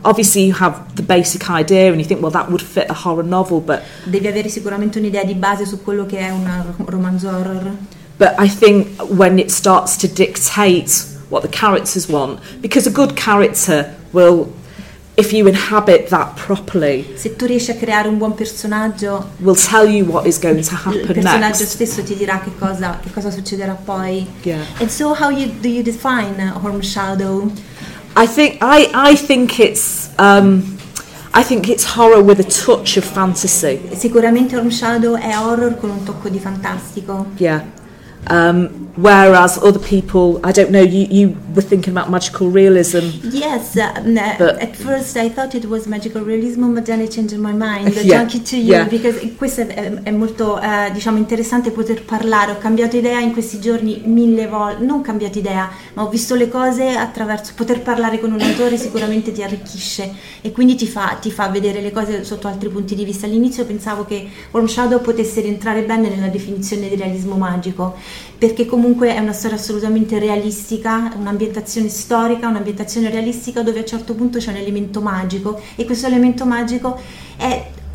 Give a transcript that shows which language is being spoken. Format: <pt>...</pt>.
<en>Obviously you have the basic idea and you think, well, that would fit a horror novel, but</en> <it>devi avere sicuramente un'idea di base su quello che è un romanzo horror.</it> <en>But I think when it starts to dictate what the characters want, because a good character will, if you inhabit that properly,</en> <it>se tu riesci a creare un buon personaggio,</it> <en>will tell you what is going to happen next.</en> <it>Il personaggio stesso ti dirà che cosa succederà poi.</it> <en>Yeah. And so how do you define Horm Shadow? I think it's horror with a touch of fantasy.</en> <it>Sicuramente Horm Shadow è horror con un tocco di fantastico.</it> <en>Yeah. Whereas other people, I don't know, you were thinking about magical realism. Yes, at first I thought it was magical realism, but then I changed my mind. Thank you to you, because</en> <it>questo è molto, diciamo, interessante poter parlare. Ho cambiato idea in questi giorni mille volte, non cambiato idea, ma ho visto le cose attraverso, poter parlare con un autore sicuramente ti arricchisce e quindi ti fa vedere le cose sotto altri punti di vista. All'inizio pensavo che Horm Shadow potesse rientrare bene nella definizione di realismo magico, perché comunque è una storia assolutamente realistica, un'ambientazione storica, un'ambientazione realistica dove a un certo punto c'è un elemento magico e questo elemento magico è</it>